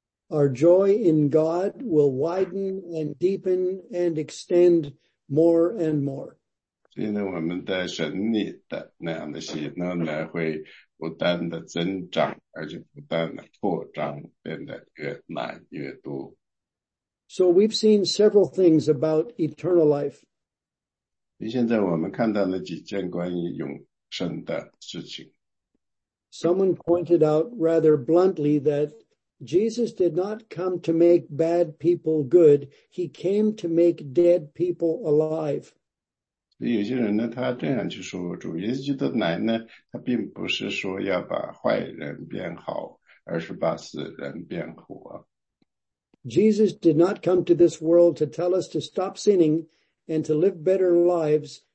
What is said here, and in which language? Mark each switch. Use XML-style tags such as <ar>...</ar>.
<en>Our joy in God will widen and deepen and extend more and more.</en> <zh>所以呢，我们在神里的那样的喜乐呢，会不断的增长，而且不断的扩张，变得越来越多。</zh> <en>So we've seen several things about eternal life.</en> <zh>现在我们看到了几件关于永生的事情。</zh> <en>Someone pointed out rather bluntly that Jesus did not come to make bad people good. He came to make dead people alive.</en> <zh>有些人呢，他这样去说，主耶稣的来呢，他并不是说要把坏人变好，而是把死人变活。</zh> <en>Jesus did not come to this world to tell us to stop sinning and to live better lives.</en>